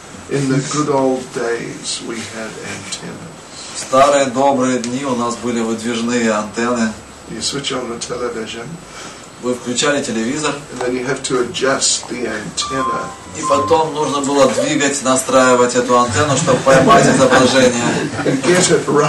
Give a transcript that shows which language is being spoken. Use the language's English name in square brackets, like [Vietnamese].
[English] In the good old days we had antennas. [Russian] В старые добрые дни у нас были выдвижные антенны. [English] You switch on the television. [Russian] Вы включали телевизор. [English] And then you have to adjust the antenna. [Russian] И потом нужно было двигать, настраивать эту антенну, чтобы поймать изображение.